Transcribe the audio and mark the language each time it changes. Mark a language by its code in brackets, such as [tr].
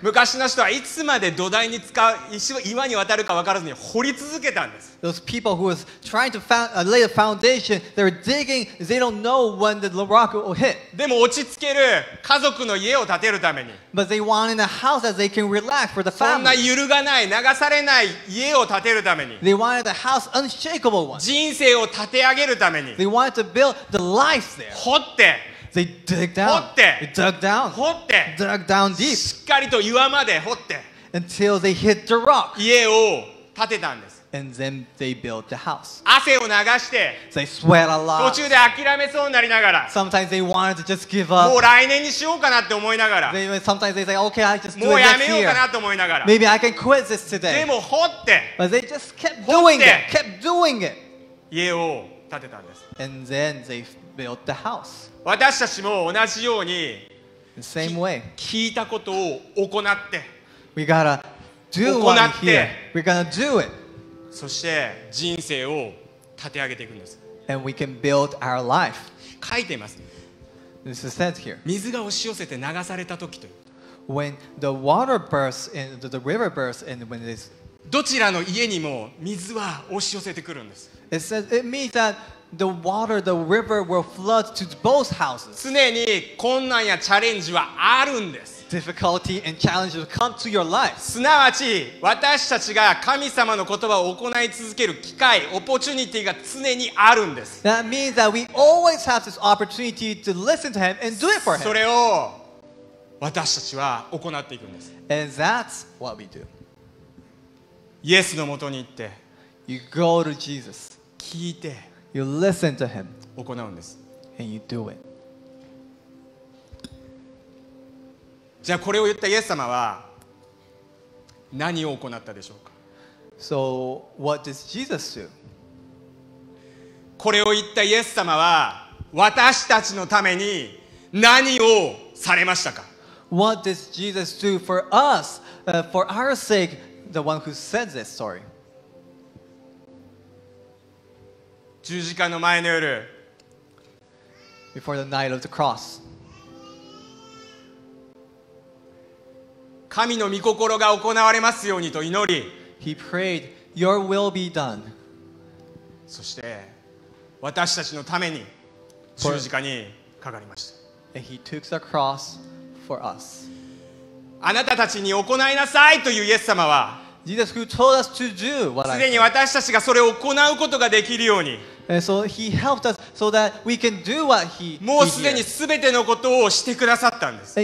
[ja] 昔の人はいつまで土台に使う石を岩に渡るか分からずに掘り続けたんです。 [en] Those people who was trying to found, lay a foundation, they were digging, they don't know when the rock will hit. [ja] でも落ち着ける家族の家を建てるために。 [en] But they wanted a house that they can relax for the family. [ja] そんな揺るがない、流されない家を建てるために。 [en] They wanted a house unshakable one. [ja] 人生を建て上げるために。 [en] They wanted to build the life there. [ja] 掘って。 [en] They dug down. [ja] 掘って。 [en] They dug down. [ja] 掘って。 [en] Dug down deep. [ja] しっかりと岩まで掘って。 [en] Until they hit the rock. [ja] 家を建てたんです。 [en] And then they built the house. [ja] 汗を流して。 [en] They sweat a lot. [ja] 途中で諦めそうになりながら。 [en] Sometimes they wanted to just give up. [ja] もう来年にしようかなって思いながら。 [en] Sometimes they say, okay, I just do it next year. [ja] もうやめようかなと思いながら。 [en] Maybe I can quit this today. [ja] でも掘って。 [en] But they just kept doing it. Kept doing it. [ja] 家を建てたんです。 [en] And then they built the house. [ja] 私たちも同じように聞いたことを行って [en] We gotta do what we hear. We're gonna do it. [ja] そして人生を立て上げていくんです。 [en] And we can build our life. [ja] 書いています。 [en] This is said here. [ja] 水が押し寄せて流された時という。 [en] When the water bursts and the river bursts and when this [ja] どちらの家にも水は押し寄せてくるんです。 [en] It says it means that. The water, the river will flood to both houses. [ja] 常に困難やチャレンジはあるんです。 [en] Difficulty and challenge will come to your life. [ja] すなわち、私たちが神様の言葉を行い続ける機会、オポチュニティが常にあるんです。 [en] That means that we always have this opportunity to listen to him and do it for him. [ja] それを私たちは行っていくんです。 [en] And that's what we do. [ja] イエスのもとに行って、 [en] You go to Jesus. [ja] 聞いて、 [en] You listen to him. [ja] 行うんです。 [en] And you do it. [ja] じゃあこれを言ったイエス様は何を行ったでしょうか。 [en] So what does Jesus do? [ja] これを言ったイエス様は私たちのために何をされましたか。 [en] What does Jesus do for us, for our sake, the one who said this story? [ja] 十字架の前の夜、 [en] before the night of the cross. [ja] 神の御心が行われますようにと祈り、 [en] He prayed, Your will be done. [ja] そして私たちのために十字架にかかりました。 [en] And he took the cross for us. [ja] あなたたちに行いなさいというイエス様は、 [en] Jesus who told us to do what I did. [ja] 既に私たちがそれを行うことができるように、 [en] So he helped us so that we can do what he did. [ja] もうすでにすべてのことをしてくださったんです。